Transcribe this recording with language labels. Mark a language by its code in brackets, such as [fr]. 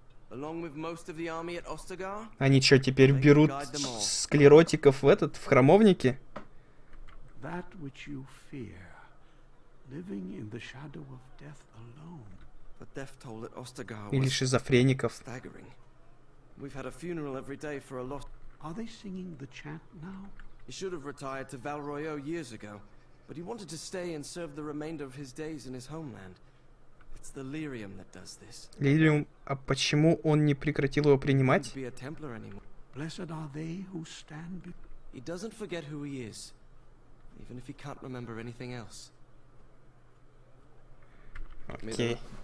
[en] Along with most of the army at Ostagar? [ru] Они что, теперь берут склеротиков в этот, в храмовники? [en] That which you fear, living in the shadow of death alone. The death toll at Ostagar was... [ru] Или шизофреников. [en] Staggering. We've had a funeral every day for a lot... Are they singing the chant now? He should have retired to Valroyo years ago, but he wanted to stay and serve the remainder of his days in his homeland. It's the Lyrium that does this. [ru] Лириум, а почему он не прекратил его принимать? [en] He wouldn't be a Templar anymore. Blessed are they who stand... He doesn't forget who he is. Even if he can't remember anything else. [ru] Окей.